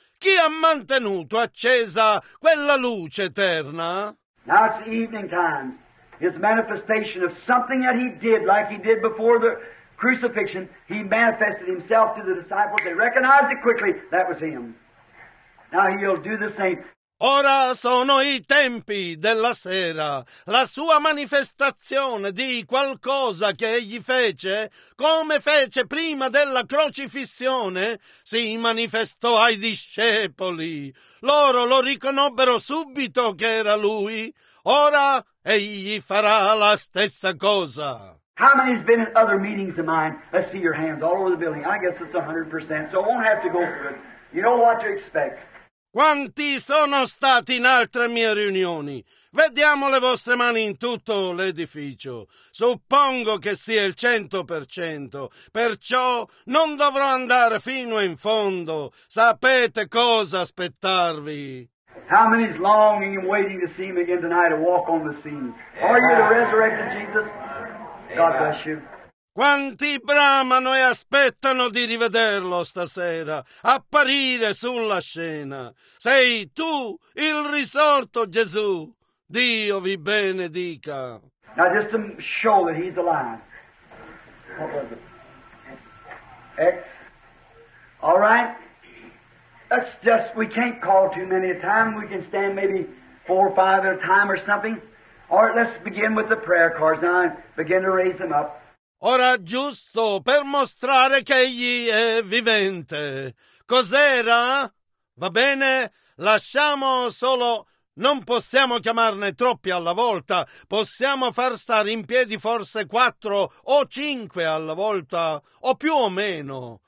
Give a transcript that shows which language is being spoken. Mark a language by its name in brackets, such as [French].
[Italian] Chi ha mantenuto accesa quella luce eterna? [English] Now it's evening time. His manifestation of something that he did, like he did before the crucifixion, he manifested himself to the disciples. They recognized it quickly. That was him. Now he'll do the same. [Italian] Ora sono i tempi della sera, la sua manifestazione di qualcosa che egli fece, come fece prima della crocifissione, si manifestò ai discepoli. Loro lo riconobbero subito che era lui. Ora egli farà la stessa cosa. [English] How many has been in other meetings of mine? Let's see your hands all over the building. I guess it's 100%, so I won't have to go through it. You know what to expect. [Italian] Quanti sono stati in altre mie riunioni? Vediamo le vostre mani in tutto l'edificio. Suppongo che sia il 100%, perciò non dovrò andare fino in fondo. Sapete cosa aspettarvi. [English] How many is longing and waiting to see him again tonight to walk on the scene? Are you the resurrected Jesus? God bless you. [Italian] Quanti bramano e aspettano di rivederlo stasera, apparire sulla scena. Sei tu il risorto Gesù. Dio vi benedica. [English] Now just to show that he's alive. What was it? All right. That's just, we can't call too many at a time. We can stand maybe four or five at a time or something. All right, let's begin with the prayer cards now and begin to raise them up. [Italian] Ora giusto per mostrare che egli è vivente. Cos'era? Va bene, lasciamo solo, non possiamo chiamarne troppi alla volta, possiamo far stare in piedi forse 4 o 5 alla volta, o più o meno.